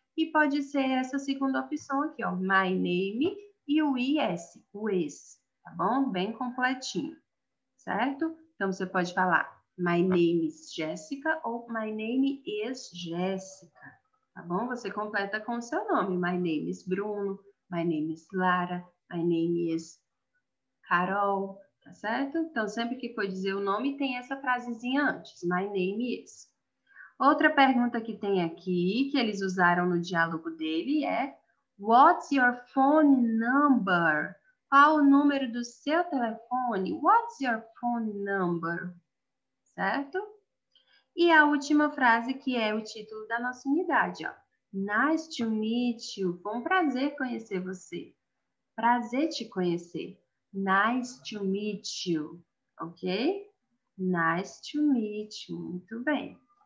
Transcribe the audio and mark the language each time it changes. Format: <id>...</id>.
<pt>E pode ser essa segunda opção aqui, ó. My name e o is, o is, tá bom? Bem completinho, certo? Então você pode falar</pt> <en>My name is Jessica</en> <pt>ou My name is Jessica, tá bom? Você completa com o seu nome.</pt> <en>My name is Bruno, my name is Lara, my name is Carol,</en> <pt>tá certo? Então sempre que for dizer o nome, tem essa frasezinha antes. My name is. Outra pergunta que tem aqui, que eles usaram no diálogo dele, é</pt> <en>What's your phone number?</en> <pt>Qual o número do seu telefone?</pt> <en>What's your phone number?</en> <pt>Certo? E a última frase, que é o título da nossa unidade, ó.</pt> <en>Nice to meet you.</en> <pt>Bom prazer conhecer você. Prazer te conhecer.</pt> <en>Nice to meet you.</en> <pt>Ok?</pt> <en>Nice to meet you.</en> <pt>Muito bem.</pt>